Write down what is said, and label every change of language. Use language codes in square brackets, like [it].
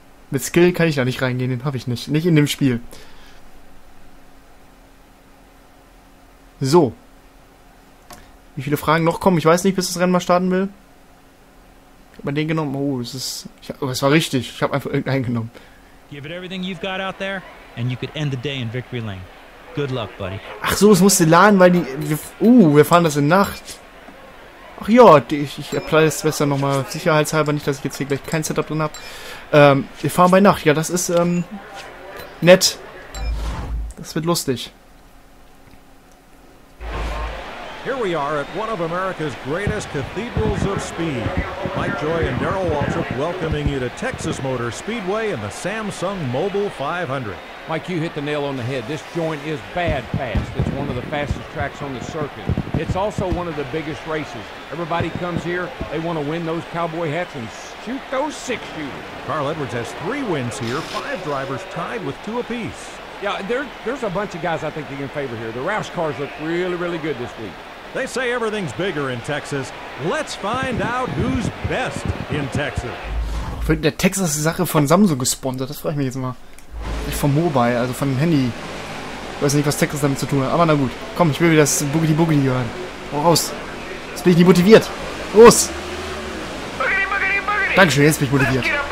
[de] Mit Skill kann ich da nicht reingehen, den habe ich nicht. Nicht in dem Spiel. So. Wie viele Fragen noch kommen? Ich weiß nicht, bis das Rennen mal starten will. Ich habe mal den genommen. Oh, es ist. Es war richtig. Ich habe einfach irgendeinen genommen. [en] Give it everything you've got out there. And you could end the day in victory lane. Good luck, buddy. [de] Ach so, es musste laden, weil die. Wir fahren das in Nacht. Ach ja, ich apply es besser nochmal sicherheitshalber, nicht, dass ich jetzt hier gleich kein Setup drin habe. Wir fahren bei Nacht. Ja, das ist nett. Das wird lustig. [en] Here we are at one of America's greatest cathedrals of speed. Mike Joy and Darrell Waltrip welcoming you to Texas Motor Speedway in the Samsung Mobile 500. Mike, you hit the nail on the head. This joint is bad fast. It's one of the fastest tracks on the circuit. It's also one of the biggest races. Everybody comes here, they want to win those cowboy hats and shoot those six shooters. Carl Edwards has three wins here, five drivers tied with two apiece. Yeah, there's a bunch of guys I think you can favor here. The Roush cars look really, really good this week. They say everything's bigger in Texas. Let's find out who's best in Texas. [de] Wird der Texas Sache von Samsung gesponsert? Das frage ich mich jetzt mal. Nicht vom Mobile, also von dem Handy. Ich weiß nicht, was Texas damit zu tun hat. Aber na gut. Komm, ich will wieder das Boogie Boogie hören. Oh, raus. Jetzt bin ich nicht motiviert. Los! Boogie Boogie Boogie! Dankeschön, jetzt bin ich motiviert.